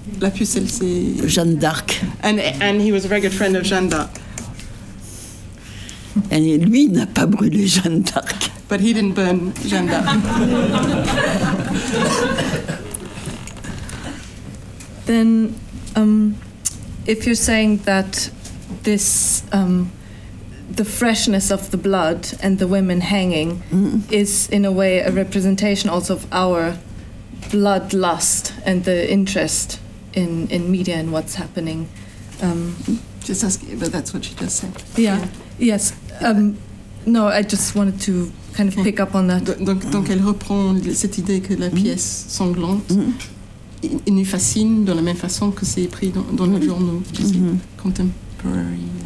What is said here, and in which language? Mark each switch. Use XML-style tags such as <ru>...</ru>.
<fr>La pucelle, c'est Jeanne d'Arc.</fr> <en>And he was a very good friend of Jeanne d'Arc.</en> <fr>Et lui n'a pas brûlé Jeanne d'Arc.</fr> <en>But he didn't burn Jeanne d'Arc. Then, if you're saying that this, the freshness of the blood and the women hanging is in a way a representation also of our bloodlust and the interest in media and what's happening. Just ask, but that's what she just said. Yes. No, I just wanted to kind of pick up on that.</en> <fr>Donc elle reprend cette idée que la pièce sanglante nous fascine de la même façon que c'est pris dans le journal, contemporary.</fr>